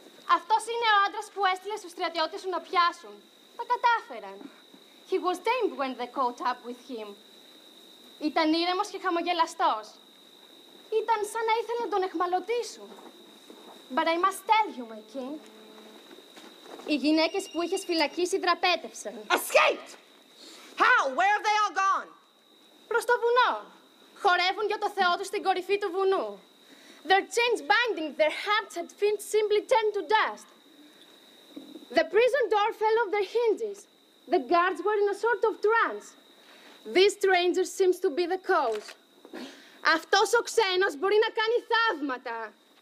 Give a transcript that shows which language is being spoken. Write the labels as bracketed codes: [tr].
[el] Αυτός είναι ο άντρας που έστειλε στους στρατιώτες σου να πιάσουν. Τα κατάφεραν. [en] He was tamed when they caught up with him. [el] Ήταν ήρεμος και χαμογελαστός. Ήταν σαν να ήθελε να τον εχμαλωτήσουν. [en] But I must tell you, my king. [el] Οι γυναίκες που είχες φυλακίσει δραπέτευσαν. [en] Escaped! How? Where have they all gone? [el] Προς το βουνό. Χορεύουν για το θεό τους στην κορυφή του βουνού. [en] Their chains binding, their hearts had been simply turned to dust. The prison door fell off their hinges. The guards were in a sort of trance. This stranger seems to be the cause. [el] Αυτός ο ξένος μπορεί να κάνει θαύματα.